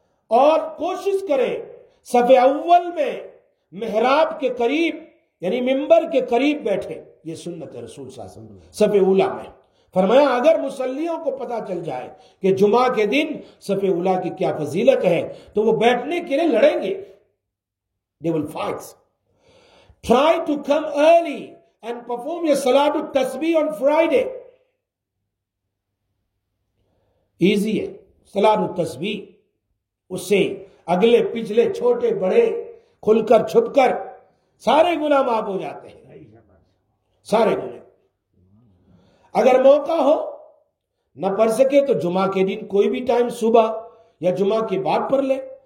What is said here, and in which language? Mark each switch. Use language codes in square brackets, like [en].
[ur] اور کوشش کریں صف اول میں محراب کے قریب یعنی منبر کے قریب بیٹھے, یہ سنت ہے رسول صلی اللہ علیہ وسلم. صف اولی میں. فرمایا اگر مسلیوں کو پتا چل جائے کہ جمعہ کے دن صف اولی کی کیا فضیلت ہے تو وہ بیٹھنے کے لیے لڑیں گے. [en] They will fights. Try to come early and perform your salatu tasbih on Friday. Easy ہے salatu tasbih. [ur] اسے اگلے پچھلے چھوٹے بڑے کھل کر چھپ کر سارے گناہ معاف ہو جاتے ہیں, سارے گناہ. اگر موقع ہو نہ پڑھ سکے تو جمعہ کے دن کوئی بھی ٹائم صبح یا جمعہ کے بعد پڑھ لے.